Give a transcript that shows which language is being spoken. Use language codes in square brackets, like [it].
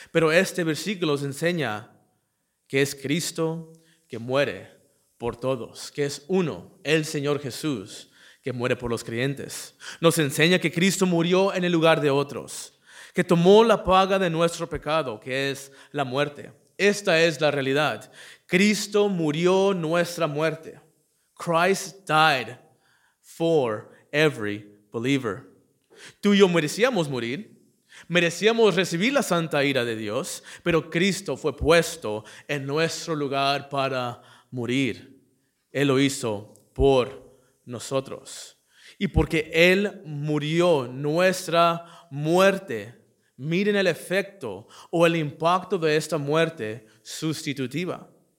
[es] Pero este versículo nos enseña que es Cristo que muere por todos, que es uno, el Señor Jesús, que muere por los creyentes. Nos enseña que Cristo murió en el lugar de otros, que tomó la paga de nuestro pecado, que es la muerte. Esta es la realidad. Cristo murió nuestra muerte. [en] Christ died for every believer. [es] Tú y yo merecíamos morir, merecíamos recibir la santa ira de Dios, pero Cristo fue puesto en nuestro lugar para morir. Él lo hizo por nosotros. Y porque Él murió nuestra muerte, miren el efecto o el impacto de esta muerte sustitutiva.